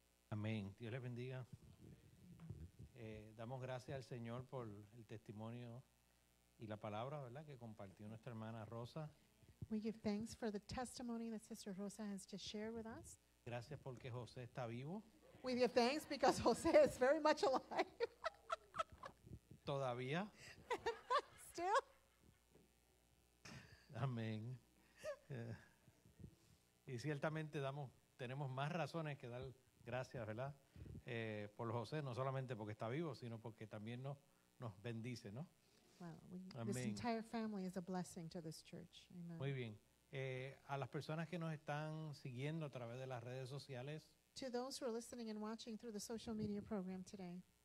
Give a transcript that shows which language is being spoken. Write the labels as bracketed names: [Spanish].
[Spanish] Amén. Dios les bendiga. Damos gracias al Señor por el testimonio y la palabra, ¿verdad?, que compartió nuestra hermana Rosa. [English] We give thanks for the testimony that Sister Rosa has just shared with us. [Spanish] Gracias porque José está vivo. [English] We give thanks because José is very much alive. [Spanish] Todavía. [English] Still. [Spanish] Amén. Y ciertamente damos, tenemos más razones que dar gracias, ¿verdad?, por José, no solamente porque está vivo, sino porque también nos bendice, ¿no? Amén. [English] This entire family is a blessing to this church. Amen. [Spanish] Muy bien. A las personas que nos están siguiendo a través de las redes sociales. [English] To those who are listening and watching through the social media program today.